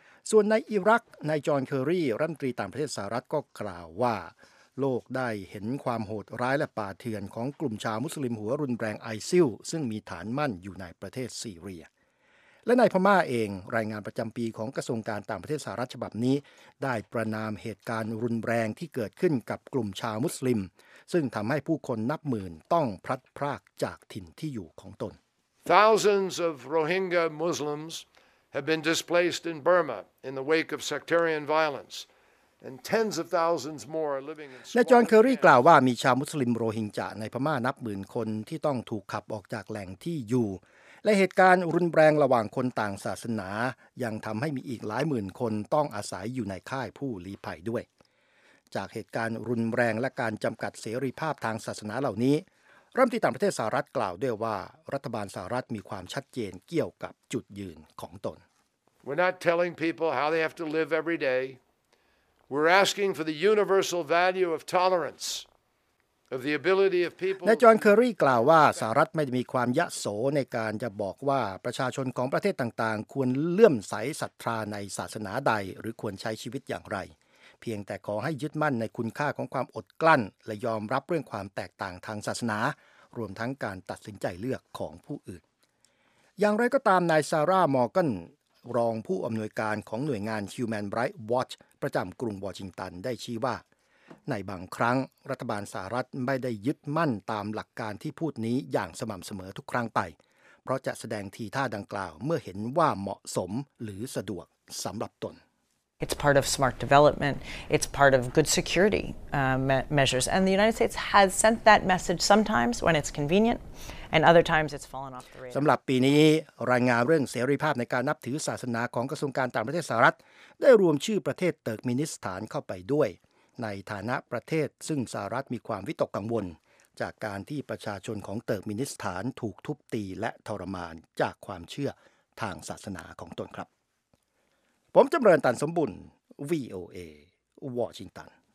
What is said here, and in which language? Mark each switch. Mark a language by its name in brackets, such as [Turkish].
[Thai] ส่วนในอิรักนายจอห์นเคอร์รีรัฐมนตรีต่างประเทศสหรัฐก็กล่าวว่าโลกได้เห็นความโหดร้ายและป่าเถื่อนของกลุ่มชาวมุสลิมหัวรุนแรงไอซิลซึ่งมีฐานมั่นอยู่ในประเทศซีเรีย และในพม่าเองรายงานประจำปีของกระทรวงการต่างประเทศสหรัฐฉบับนี้ได้ประณามเหตุการณ์รุนแรงที่เกิดขึ้นกับกลุ่มชาวมุสลิมซึ่งทำให้ผู้คนนับหมื่นต้องพลัดพรากจากถิ่นที่อยู่ของตน [English] Thousands of Rohingya Muslims have been displaced in Burma in the wake of sectarian violenceAnd tens of thousands more are living in [Thai] และจอห์นเคอร์รีกล่าวว่ามีชาวมุสลิมโรฮิงญาในพม่านับหมื่นคนที่ต้องถูกขับออกจากแหล่งที่อยู่และเหตุการณ์รุนแรงระหว่างคนต่างศาสนายังทำให้มีอีกหลายหมื่นคนต้องอาศัยอยู่ในค่ายผู้ลี้ภัยด้วยจากเหตุการณ์รุนแรงและการจำกัดเสรีภาพทางศาสนาเหล่านี้รัฐมนตรีต่างประเทศสหรัฐกล่าวด้วยว่ารัฐบาลสหรัฐมีความชัดเจนเกี่ยวกับจุดยืนของตน [English] We're not telling people how they have to live every dayWe're asking for the universal value of tolerance, of the ability of people. [Thai] ในจอห์นเคอร์รีกล่าวว่าสหรัฐไม่มีความยโสในการจะบอกว่าประชาชนของประเทศต่างๆควรเลื่อมใสศรัทธาในศาสนาใดหรือควรใช้ชีวิตอย่างไรเพียงแต่ขอให้ยึดมั่นในคุณค่าของความอดกลั้นและยอมรับเรื่องความแตกต่างทางศาสนารวมทั้งการตัดสินใจเลือกของผู้อื่น อย่างไรก็ตามนายซาร่ามอร์แกนรองผู้อำนวยการของหน่วยงาน Human Rights Watchประจำกรุงวอชิงตันได้ชี้ว่าในบางครั้งรัฐบาลสหรัฐไม่ได้ยึดมั่นตามหลักการที่พูดนี้อย่างสม่ำเสมอทุกครั้งไปเพราะจะแสดงทีท่าดังกล่าวเมื่อเห็นว่าเหมาะสมหรือสะดวกสำหรับตน [English] It's part of smart development it's part of good security measures and the United States has sent that message sometimes when it's convenient and other times it's fallen off the radar [Thai] สำหรับปีนี้รายงานเรื่องเสรีภาพในการนับถือศาสนาของกระทรวงการต่างประเทศสหรัฐได้รวมชื่อประเทศเติร์กมินิสถานเข้าไปด้วยในฐานะประเทศซึ่งสหรัฐมีความวิตกกังวลจากการที่ประชาชนของเติร์กมินิสถานถูกทุบตีและทรมานจากความเชื่อทางศาสนาของตนครับผมจำเริญตันสมบุญ VOA วอชิงตัน